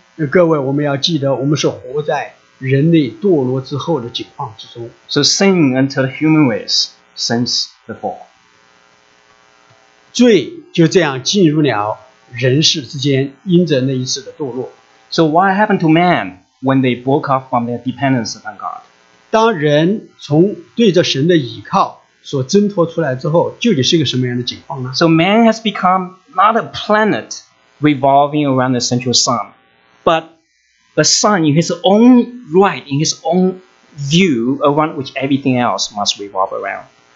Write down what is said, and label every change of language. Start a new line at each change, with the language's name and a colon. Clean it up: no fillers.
Chinese: 各位,我们要记得我们是活在人类堕落之后的情况之中。
English: So sin entered the human race since the fall.
Chinese: 罪就这样进入了人世之间,因着那一次的堕落。So
English: what happened to man when they broke off from their dependence upon God?
Chinese: 当人从对着神的依靠所挣脱出来之后,究竟是一个什么样的情况呢?
English: So man has become not a planet revolving around the central sun, but a sun in his own right, in his own view, around which everything else must revolve around.